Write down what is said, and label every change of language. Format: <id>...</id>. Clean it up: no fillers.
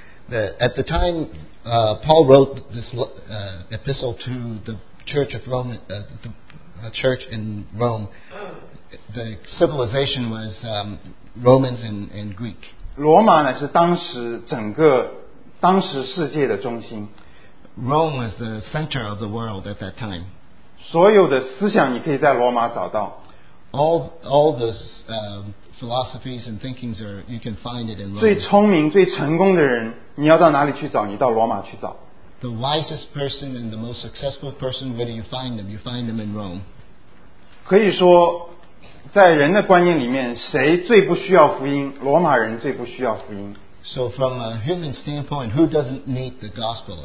<en>At the time Paul wrote this epistle to the church of Rome, the church in Rome. The civilization was Romans and Greek.</en> <zh>罗马乃是当时世界的中心。</zh> <en>Rome was the center of the world at that time.</en> <zh>所有的思想你可以在罗马找到。</zh> <en>All those philosophies and thinkings are you can find it in Rome.</en> <zh>最聪明最成功的人，你要到哪里去找？你到罗马去找。</zh> <en>The wisest person and the most successful person, where do you find them? You find them in Rome.</en> <zh>可以说。在人的观念里面，谁最不需要福音？罗马人最不需要福音。</zh> <en>So from a human standpoint, who doesn't need the gospel?</en>